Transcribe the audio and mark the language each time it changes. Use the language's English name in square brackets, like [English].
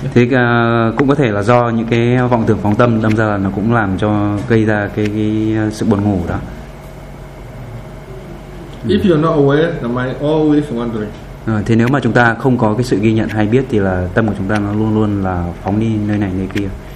[Vietnamese] Thế cũng có thể là do những cái vọng tưởng phóng tâm đâm ra là nó cũng làm cho gây ra cái sự buồn ngủ đó. [English] If you're not aware, the mind always wandering. [Vietnamese] Thế nếu mà chúng ta không có cái sự ghi nhận hay biết thì là tâm của chúng ta nó luôn luôn là phóng đi nơi này nơi kia.